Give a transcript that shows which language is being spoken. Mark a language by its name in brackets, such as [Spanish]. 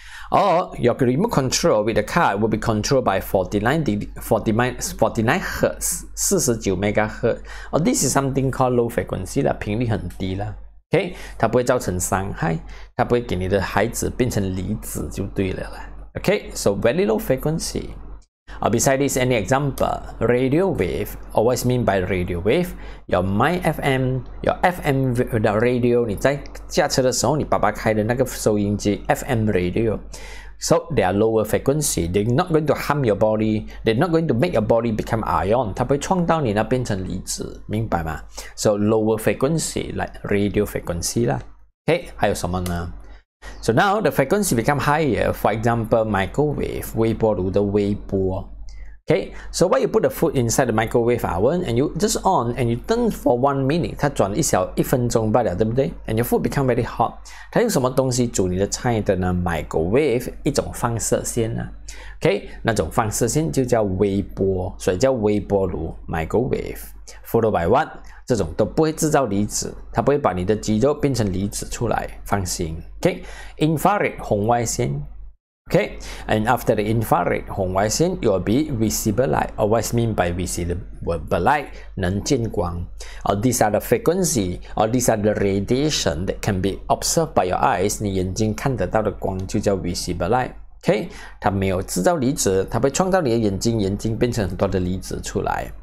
[English] Or your remote control with the car will be controlled by 49 Hz, 49 MHz. Or this is something called low frequency, [Chinese] 啦，频率很低啦。 OK, 它不会造成伤害，它不会给你的孩子变成离子就对了啦。 [English] OK, so very low frequency. Or besides this, any example, radio wave, or what's mean by radio wave? Your mind FM, your FM radio, [Chinese] 你在驾车的时候你爸爸开的那个收音机 FM radio. [English] So they are lower frequency, they're not going to harm your body, they're not going to make your body become ion, [Chinese] 它不会撞到你那变成离子，明白吗？ [English] So lower frequency, like radio frequency 啦。OK, [Chinese] 还有什么呢？ [English] So now the frequency become higher, for example, microwave, [Chinese] 微波炉的微波。 [English] Okay, so when you put the food inside the microwave oven and you just on and you turn for 1 minute, [Chinese] 它转一小一分钟罢了，对不对？ [English] And your food become very hot. [Chinese] 它用什么东西煮你的菜的呢？ Microwave, 一种放射线呢。Okay, 那种放射线就叫微波，所以叫微波炉 microwave. [English] Followed by what? [Chinese] 这种都不会制造离子，它不会把你的肌肉变成离子出来，放心。 [English] Okay, infrared, 红外线。 Okay, and after the infrared, 红外线, you will be visible light. Or what's mean by visible light? [Chinese] 能见光. [English] Or these are the frequency, or these are the radiation that can be observed by your eyes. [Chinese] 你眼睛看得到的光就叫 visible light. Okay, 它没有制造离子，它会创造你的眼睛，眼睛变成很多的离子出来。